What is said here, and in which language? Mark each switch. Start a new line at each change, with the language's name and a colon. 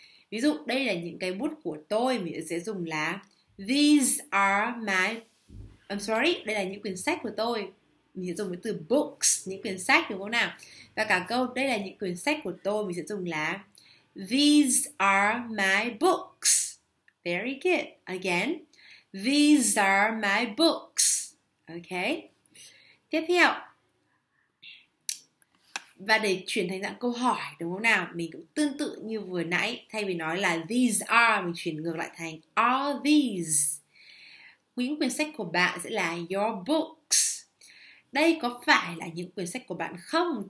Vietnamese: Ví dụ đây là những cái bút của tôi, mình sẽ dùng là
English: these are my, I'm sorry,
Vietnamese: đây là những quyển sách của tôi. Mình sẽ dùng với từ books, những quyển sách đúng không nào? Và cả câu đây là những quyển sách của tôi, mình sẽ dùng là
English: these are my books. Very good. Again, these are my books.
Vietnamese: Ok. Tiếp theo. Và để chuyển thành dạng câu hỏi đúng không nào? Mình cũng tương tự như vừa nãy, thay vì nói là
English: these are,
Vietnamese: mình chuyển ngược lại thành
English: are these.
Vietnamese: Những quyển sách của bạn sẽ là your books. Đây có phải là những quyển sách của bạn không?